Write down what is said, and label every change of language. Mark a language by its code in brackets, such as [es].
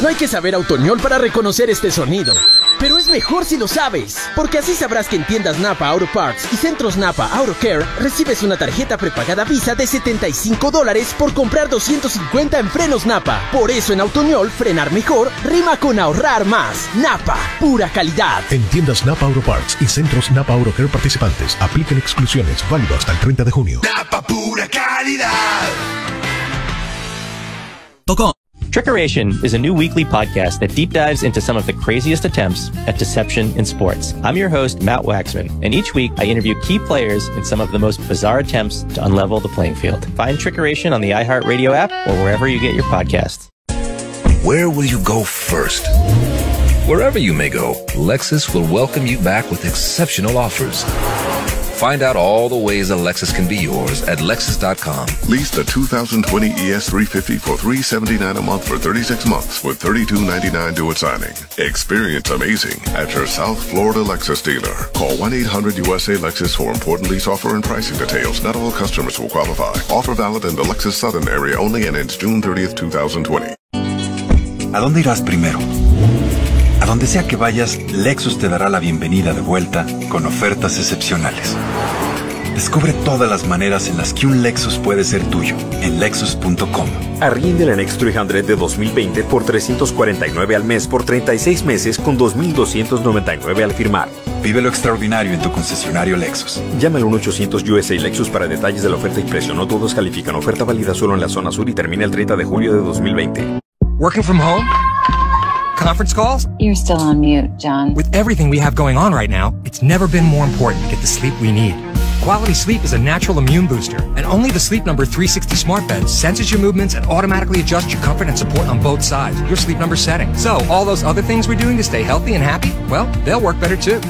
[es] No hay que saber autoñol para reconocer este sonido. Pero es mejor si lo sabes, porque así sabrás que en tiendas Napa Auto Parts y centros Napa Auto Care recibes una tarjeta prepagada Visa de $75 por comprar $250 en frenos Napa. Por eso en Autoñol, frenar mejor rima con ahorrar más. Napa, pura calidad. En tiendas Napa Auto Parts y centros Napa Auto Care participantes, apliquen exclusiones, válido hasta el 30 de junio. Napa, pura calidad. Tocó. [en] Trickeration is a new weekly podcast that deep dives into some of the craziest attempts at deception in sports. I'm your host, Matt Waxman, and each week I interview key players in some of the most bizarre attempts to unlevel the playing field. Find Trickeration on the iHeartRadio app or wherever you get your podcasts. Where will you go first? Wherever you may go, Lexus will welcome you back with exceptional offers. Find out all the ways a Lexus can be yours at Lexus.com. Lease the 2020 ES350 for $379 a month for 36 months with $3,299 due at signing. Experience amazing at your South Florida Lexus dealer. Call 1-800-USA-LEXUS for important lease offer and pricing details. Not all customers will qualify. Offer valid in the Lexus Southern area only and ends June 30th, 2020. [es] ¿A dónde irás primero? A donde sea que vayas, Lexus te dará la bienvenida de vuelta con ofertas excepcionales. Descubre todas las maneras en las que un Lexus puede ser tuyo en Lexus.com. Arriende la Next 300 de 2020 por $349 al mes por 36 meses con $2,299 al firmar. Vive lo extraordinario en tu concesionario Lexus. Llama al 1-800-USA-LEXUS para detalles de la oferta y precio. No todos califican. Oferta válida solo en la zona sur y termina el 30 de julio de 2020. [en] Working from home? Conference calls? You're still on mute, John. With everything we have going on right now, it's never been more important to get the sleep we need. Quality Sleep is a natural immune booster, and only the Sleep Number 360 smart bed senses your movements and automatically adjusts your comfort and support on both sides, your Sleep Number setting. So, all those other things we're doing to stay healthy and happy, well, they'll work better too.